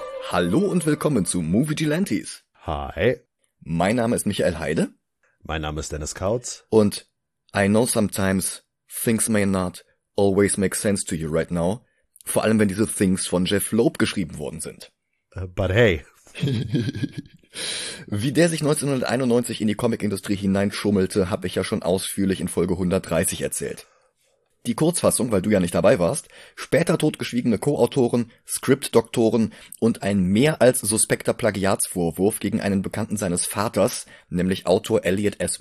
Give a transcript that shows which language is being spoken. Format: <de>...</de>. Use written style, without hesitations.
<de>Hallo und willkommen zu Movie-Gilantes. Hi. Mein Name ist Michael Heide. Mein Name ist Dennis Kautz.</de> <en>Und I know sometimes things may not always make sense to you right now.</en> <de>Vor allem, wenn diese Things von Jeff Loeb geschrieben worden sind.</de> <en>But hey.</en> <de>Wie der sich 1991 in die Comicindustrie hineinschummelte, habe ich ja schon ausführlich in Folge 130 erzählt. Die Kurzfassung, weil du ja nicht dabei warst, später totgeschwiegene Co-Autoren, Skriptdoktoren und ein mehr als suspekter Plagiatsvorwurf gegen einen Bekannten seines Vaters, nämlich Autor Elliot S.</de>